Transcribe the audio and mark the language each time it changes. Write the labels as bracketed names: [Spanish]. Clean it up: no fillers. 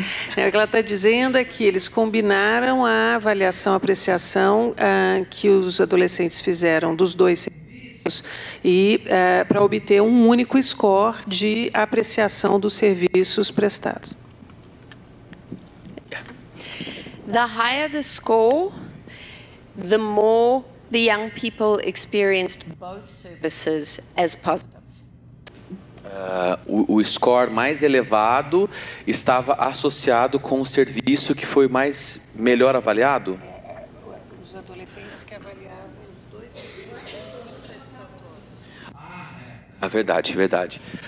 [Portuguese] O que ela está dizendo é que eles combinaram a avaliação, a apreciação que os adolescentes fizeram dos dois serviços e para obter um único score de apreciação dos serviços prestados. [English] The higher the score, the more the young people experienced both services as positive. [Portuguese] o score mais elevado estava associado com o serviço que foi mais melhor avaliado? Os adolescentes que avaliavam os dois serviços foram satisfatórios. Ah, é verdade, é verdade.